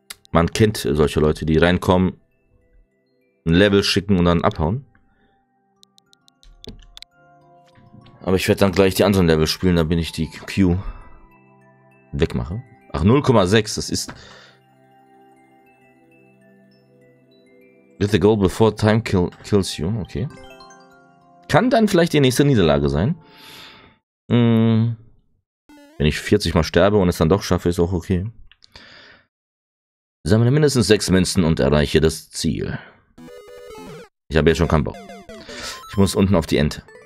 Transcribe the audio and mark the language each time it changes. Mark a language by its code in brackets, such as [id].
[de] Man kennt solche Leute, die reinkommen, ein Level schicken und dann abhauen. Aber ich werde dann gleich die anderen Level spielen, damit ich die Q wegmache. Ach, 0,6, das ist. [en] Get the goal before time kills you, okay. [de] Kann dann vielleicht die nächste Niederlage sein. Wenn ich 40 mal sterbe und es dann doch schaffe, ist auch okay. Sammle mindestens 6 Münzen und erreiche das Ziel. Ich habe jetzt schon keinen Bock. Ich muss unten auf die Ente.